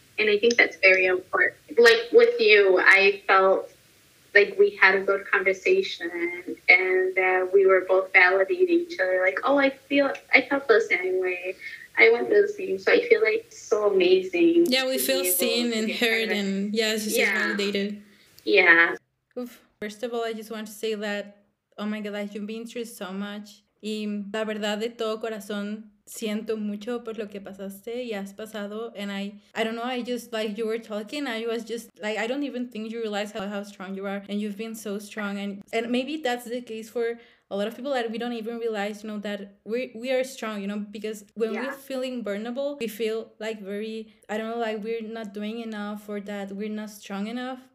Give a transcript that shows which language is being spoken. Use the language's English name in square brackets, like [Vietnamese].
[English] And I think that's very important. Like with you, I felt like we had a good conversation and that we were both validating each other. Like, oh, I felt the same way. I went through the same. So I feel like so amazing. Yeah, we feel seen and heard and yes, yeah, just validated. Yeah. Oof. First of all, I just want to say that, oh my God, you've been through so much. [Spanish] Y la verdad de todo corazón, siento mucho por lo que pasaste y has pasado. [English] And I don't know, I just, like, you were talking, I was just, like, I don't even think you realize how strong you are. And you've been so strong. And maybe that's the case for a lot of people that we don't even realize, you know, that we are strong, you know, because when yeah. we're feeling vulnerable, we feel, like, very, I don't know, like, we're not doing enough or that we're not strong enough.